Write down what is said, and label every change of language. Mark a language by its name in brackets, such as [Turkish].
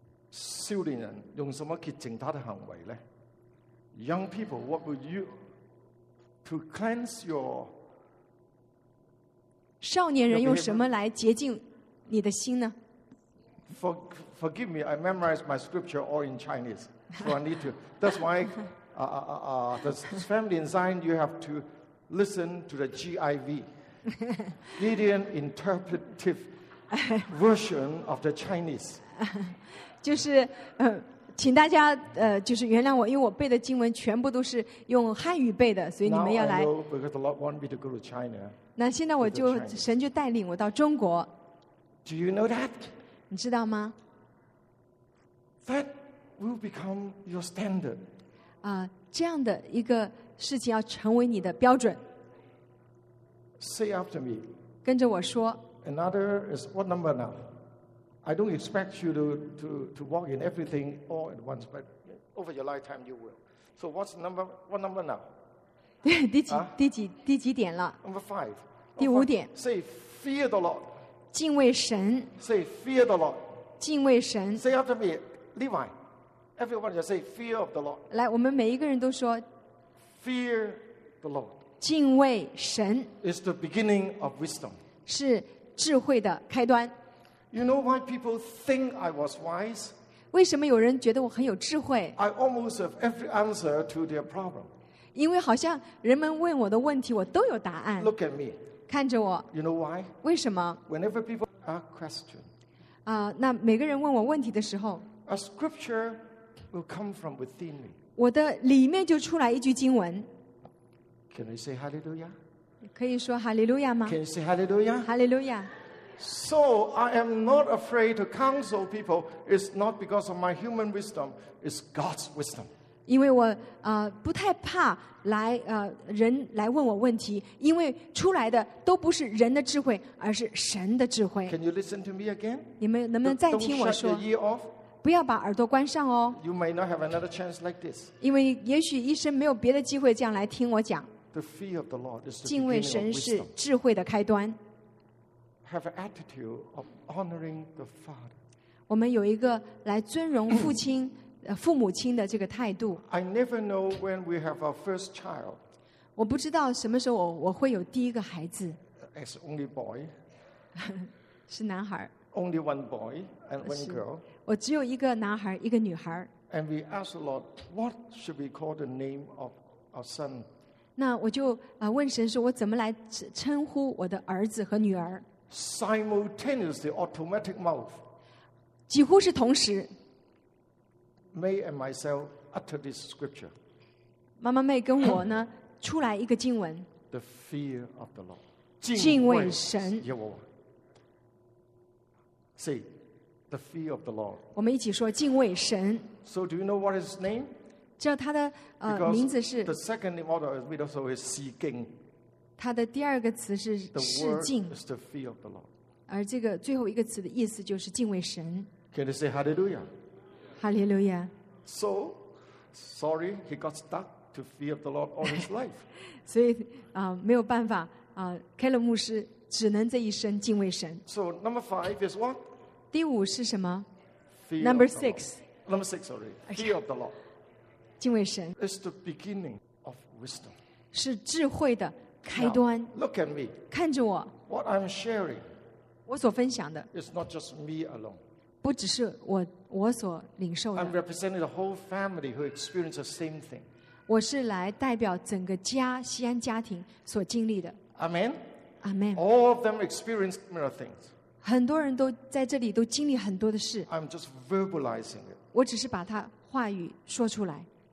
[Chinese] 少年人用什么洁净他的行为呢 ？ [English] Young people, what will you to cleanse your? [Chinese] 少年人用什么来洁净你的心呢 [English] ？Forgive me, I memorized my scripture all in Chinese, so I need to. That's why, the family design you have to listen to the GIV, Gideon Interpretive Version of the Chinese. [Chinese] 就是请大家就是原谅我因为我背的经文全部都是用汉语背的所以你们要来 [English] Now I know because the Lord wants me to go to China [Chinese] 那现在我就神就带领我到中国 [English] Do you know that? [Chinese] 你知道吗 [English] That will become your standard [Chinese] 这样的一个事情要成为你的标准 [English] Say after me [Chinese] 跟着我说 [English] Another is what number now? I don't expect you to walk in everything all at once, but over your lifetime you will. So what's number what number now? [Chinese] 第几点了 [English] ？Number five. [Chinese] 第五点。 [English] Say fear the Lord. [Chinese] 敬畏神。 [English] Say fear the Lord. [Chinese] 敬畏神。 [English] Say after me, Levi. Everyone just say fear of the Lord. [Chinese] 来，我们每一个人都说。 [English] Fear the Lord. [Chinese] 敬畏神。 [English] Is the beginning of wisdom. [Chinese] 是智慧的开端。 [English] You know why people think I was wise? [Chinese] 为什么有人觉得我很有智慧 [English] ？I almost have every answer to their problem. [Chinese] 因为好像人们问我的问题，我都有答案。 [English] Look at me. [Chinese] 看着我。 [English] You know why? [Chinese] 为什么 [English] ？Whenever people ask question. [Chinese] 那每个人问我问题的时候 [English] ，A scripture will come from within me. [Chinese] 我的里面就出来一句经文。 [English] Can I say hallelujah? [Chinese] 可以说哈利路亚吗 [English] ？Can you say hallelujah? Hallelujah. So I am not afraid to counsel people. It's not because of my human wisdom. It's God's wisdom. [Chinese] 因为我不太怕来人来问我问题，因为出来的都不是人的智慧，而是神的智慧。 [English] Can you listen to me again? [Chinese] 你们能不能再听我说？ [English] Don't shut your ear off. [Chinese] 不要把耳朵关上哦。 [English] You may not have another chance like this. [Chinese] 因为也许一生没有别的机会这样来听我讲。 [English] The fear of the Lord is the beginning. [Chinese] 敬畏神是智慧的开端。 [English] Have an attitude of honoring the Father. [Chinese] 我们有一个来尊荣父亲。父母亲的这个态度。 [English] I never know when we have our first child. [Chinese] 我不知道什么时候我会有第一个孩子。 [English] As only boy. [Chinese] 是男孩。 [English] Only one boy and one girl. [Chinese] 我只有一个男孩，一个女孩。 [English] And we ask the Lord, what should we call the name of our son? [Chinese] 那我就问神说，我怎么来称呼我的儿子和女儿 [English] ？Simultaneously, automatic mouth. [Chinese] 几乎是同时。 [English] May and myself utter this scripture. [Chinese] 妈妈妹跟我呢，出来一个经文。 [English] The fear of the Lord. [Chinese] 敬畏神。耶和华。 [English] See, the fear of the Lord. [Chinese] 我们一起说敬畏神。 [English] So do you know what his name? [Chinese] 知道他的名字是。 [English] The second word is we also is seeking. [Chinese] 他的第二个词是侍敬。 [English] The word is the fear of the Lord. [Chinese] 而这个最后一个词的意思就是敬畏神。 [English] Can you say hallelujah? Hallelujah. So, sorry, he got stuck to fear of the Lord all his life. [Chinese] 所以没有办法Caleb 牧师只能这一生敬畏神。 [English] So number five is what? [Chinese] 第五是什么 [English] ？Fear. Number six. Number six, sorry. Fear of the Lord. [Chinese] 敬畏神。 [English] It's the beginning of wisdom. [Chinese] 是智慧的开端。 [English] Now, look at me. [Chinese] 看着我。 [English] What I'm sharing. [Chinese] 我所分享的。 [English] It's not just me alone. [Chinese] 不只是 我所领受的。 [English] I'm representing the whole family who experience the same thing. [Chinese] 我是来代表整个家西安家庭所经历的。 [English] Amen. Amen. All of them experience similar things. [Chinese] 很多人都在这里都经历很多的事。 [English] I'm just verbalizing it. [Chinese] 我只是把它话语说出来。